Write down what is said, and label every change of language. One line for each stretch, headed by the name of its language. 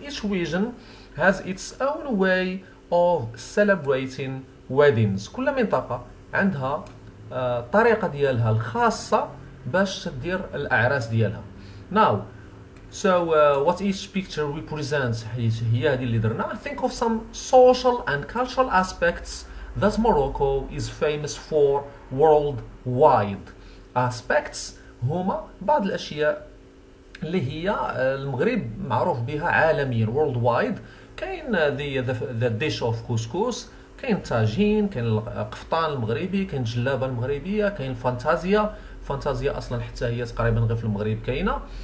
English: Each region has its own way of celebrating weddings,
Arabic: كل منطقة عندها طريقة ديالها الخاصة باش تدير الأعراس ديالها.
English: Now, so what each picture represents,
Arabic: هي هذه اللي درنا.
English: Think of some social and cultural aspects that Morocco is famous for worldwide.
Arabic: Aspects هما بعض الأشياء اللي هي المغرب معروف بها عالميا worldwide. كاين
English: the dish of couscous,
Arabic: كاين تاجين, كاين القفطان المغربي, كاين جلابة المغربية, كاين فانتازيا أصلا حتى هي تقريبا غير في المغرب كاينة.